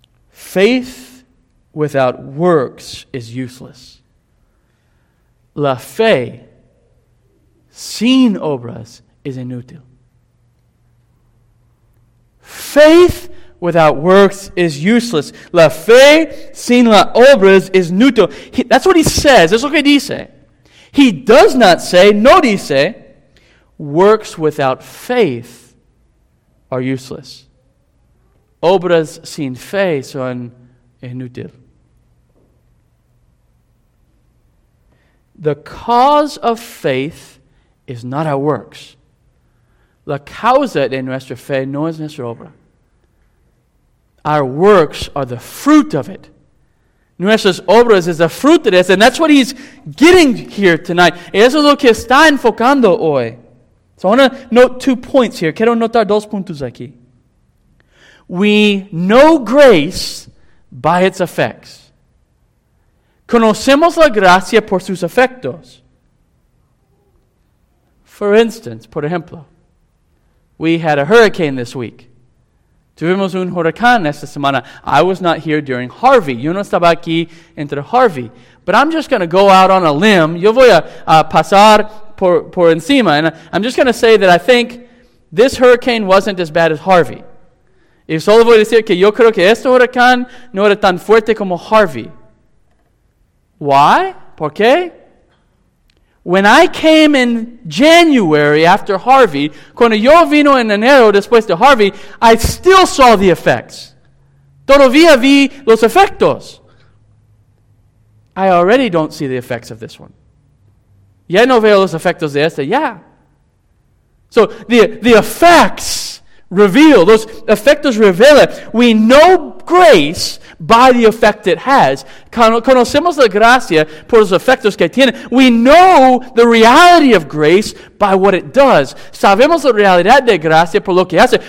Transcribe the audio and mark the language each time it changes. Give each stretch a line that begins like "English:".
English: Faith without works is useless.
Spanish: La fe sin obras is inútil.
English: Faith without works is useless.
Spanish: La fe sin las obras es inútil.
English: That's what he says. That's what he dice. He does not say,
Spanish: no dice,
English: works without faith are useless.
Spanish: Obras sin fe son inútil.
English: The cause of faith is not our works.
Spanish: La causa de nuestra fe no es nuestra obra.
English: Our works are the fruit of it.
Spanish: Nuestras obras es el fruto de eso.
English: And that's what he's getting here tonight.
Spanish: Eso es lo que está enfocando hoy.
English: So I want to note 2 points here.
Spanish: Quiero notar 2 puntos aquí.
English: We know grace by its effects.
Spanish: Conocemos la gracia por sus efectos.
English: For instance,
Spanish: por ejemplo,
English: we had a hurricane this week.
Spanish: Tuvimos un huracán esta semana.
English: I was not here during Harvey.
Spanish: Yo no estaba aquí entre Harvey.
English: But I'm just going to go out on a limb.
Spanish: Yo voy a pasar por encima.
English: And I'm just going to say that I think this hurricane wasn't as bad as Harvey.
Spanish: Y solo voy a decir que yo creo que este huracán no era tan fuerte como Harvey.
English: Why?
Spanish: ¿Por qué?
English: When I came in January after Harvey,
Spanish: cuando yo vino en enero después de Harvey,
English: I still saw the effects.
Spanish: Todavía vi los efectos.
English: I already don't see the effects of this one.
Spanish: Ya no veo los efectos de este, ya.
English: So the effects reveal, those efectos revela. We know grace by the effect it has.
Spanish: Conocemos la gracia por los efectos que tiene.
English: We know the reality of grace by what it does.
Spanish: Sabemos la realidad de gracia por lo que hace.